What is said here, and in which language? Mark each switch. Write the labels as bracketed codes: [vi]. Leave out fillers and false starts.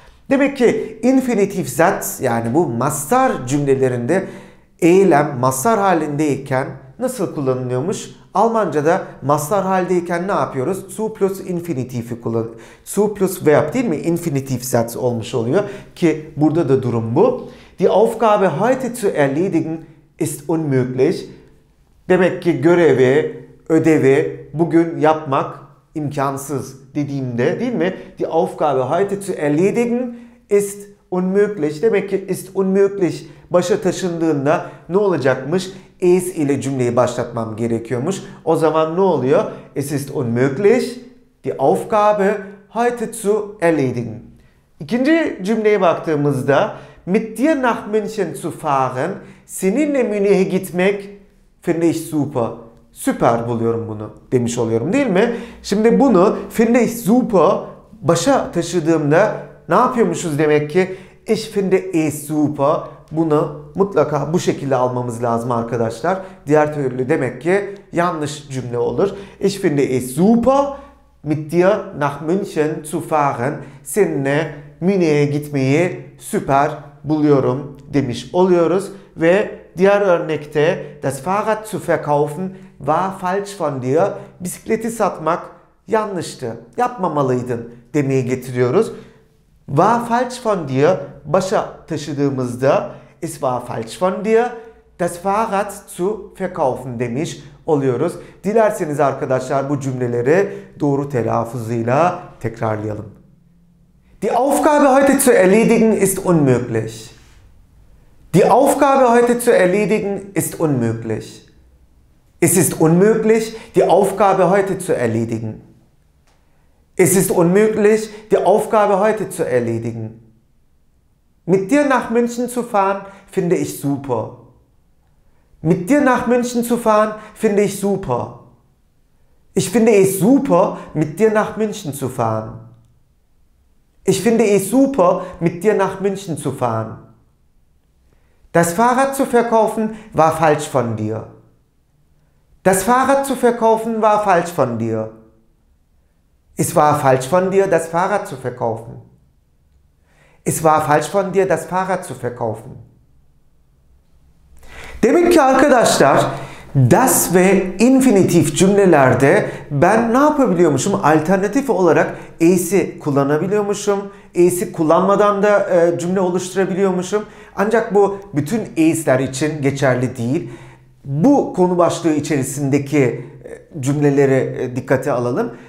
[tr] Demek ki infinitif zat yani bu mastar cümlelerinde eylem mastar halindeyken nasıl kullanılıyormuş? Almanca'da mastar halindeyken ne yapıyoruz? Zu plus infinitifi kullanıyoruz. Zu plus verb değil mi? Infinitif zat olmuş oluyor ki burada da durum bu. [de] Die Aufgabe heute zu erledigen ist unmöglich. [tr] Demek ki görevi, ödevi bugün yapmak imkansız dediğimde değil mi? [de] Die Aufgabe heute zu erledigen ist unmöglich. [tr] Demek ki [de] ist unmöglich [tr] başa taşındığında ne olacakmış? Es ile cümleyi başlatmam gerekiyormuş. O zaman ne oluyor? [de] Es ist unmöglich die Aufgabe heute zu erledigen. [tr] İkinci cümleye baktığımızda [de] mit dir nach München zu fahren, [tr] seninle Münih'e gitmek [de] finde ich super. [tr] Süper buluyorum bunu demiş oluyorum değil mi? Şimdi bunu [de] finde ich super [tr] başa taşıdığımda ne yapıyormuşuz demek ki? [de] Ich finde es super. [tr] Bunu mutlaka bu şekilde almamız lazım arkadaşlar. Diğer türlü demek ki yanlış cümle olur. [de] Ich finde es super mit dir nach München zu fahren. [tr] Seninle Münih'e gitmeyi süper buluyorum demiş oluyoruz. Ve diğer örnekte [de] das Fahrrad zu verkaufen war falsch von dir. [tr] Bisikleti satmak yanlıştı. Yapmamalıydın demeye getiriyoruz. [de] War falsch von dir [tr] başa taşıdığımızda [de] es war falsch von dir das Fahrrad zu verkaufen [tr] demiş oluyoruz. Dilerseniz arkadaşlar bu cümleleri doğru telaffuzuyla tekrarlayalım. [de] Die Aufgabe heute zu erledigen ist unmöglich. Die Aufgabe heute zu erledigen ist unmöglich. Es ist unmöglich, die Aufgabe heute zu erledigen. Es ist unmöglich, die Aufgabe heute zu erledigen. Mit dir nach München zu fahren, finde ich super. Mit dir nach München zu fahren, finde ich super. Ich finde es super, mit dir nach München zu fahren. Ich finde es super, mit dir nach München zu fahren. Das Fahrrad zu verkaufen war falsch von dir. Das Fahrrad zu verkaufen war falsch von dir. Es war falsch von dir, das Fahrrad zu verkaufen. Es war falsch von dir, das Fahrrad zu verkaufen. [tr] Demek ki arkadaşlar, das ve infinitif cümlelerde ben ne yapabiliyormuşum? Alternatif olarak es'i kullanabiliyormuşum. Es'i kullanmadan da cümle oluşturabiliyormuşum. Ancak bu bütün es'ler için geçerli değil. Bu konu başlığı içerisindeki cümleleri dikkate alalım.